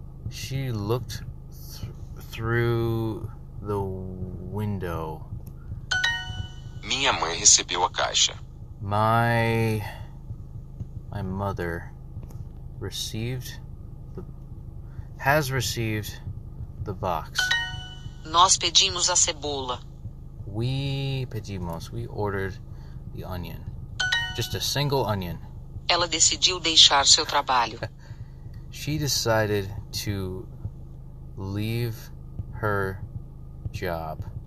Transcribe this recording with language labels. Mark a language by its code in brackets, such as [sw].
[en] She looked through the window. [pt] Minha mãe recebeu a caixa. [en] My mother received the has received the box. [pt] Nós pedimos a cebola. [en] We ordered the onion. Just a single onion. [pt] Ela decidiu deixar seu trabalho. [en] She decided to leave her job.